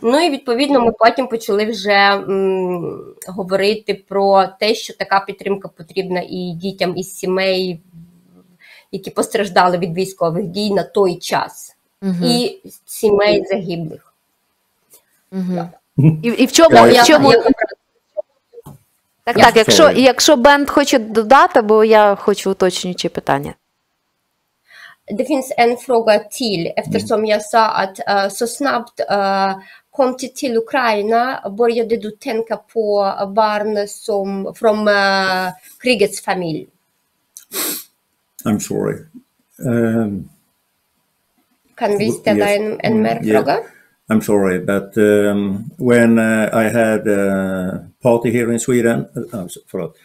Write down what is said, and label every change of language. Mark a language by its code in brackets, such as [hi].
[uk] Ну і відповідно ми потім почали вже говорити про те, що така підтримка потрібна і дітям, і сімей, які постраждали від військових дій на той час, угу. І сімей загиблих. Угу. І в чому? Так, якщо Бенд хоче додати, бо я хочу уточнюючи питання. [sv] Det finns en fråga till, eftersom jag sa att så snabbt kom till Ukraina började du tänka på barn som från krigets familj. [en] I'm sorry. [sv] Kan vi ställa en mer fråga? [en] I'm sorry, but when I had a party here in Sweden, [sv] förlåt,